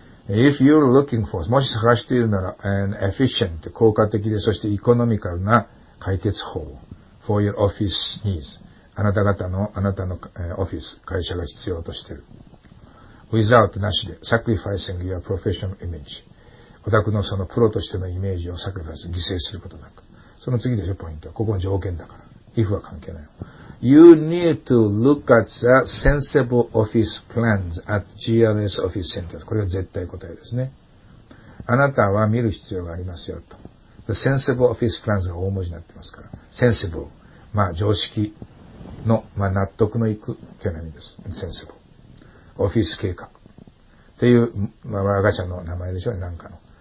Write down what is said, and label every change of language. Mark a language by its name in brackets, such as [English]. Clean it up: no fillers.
[English] If you're looking for, [Japanese] もし探しているなら [English] an efficient, [Japanese] 効果的で、そしてエコノミカルな解決法を [English] for your office needs。 [Japanese] あなた方の、あなたのオフィス、会社が必要としている。 without なしで、 [English] sacrificing your professional image。 [Japanese] お宅のそのプロとしてのイメージを sacrifice、犠牲することなく。その次でしょ、ポイント。ここは条件だから。if は関係ない。 [English] you need to look at the sensible office plans at GRS Office Center。 [Japanese] これは絶対答えですね。あなたは見る必要がありますよ、と。 [English] the sensible office plans [Japanese] が大文字になってますから。sensible。 まあ、常識。の、まあ、納得のいく懸念です。センセブ。オフィス計画。っていう、まあ、我が社の名前でしょうね、なんかの。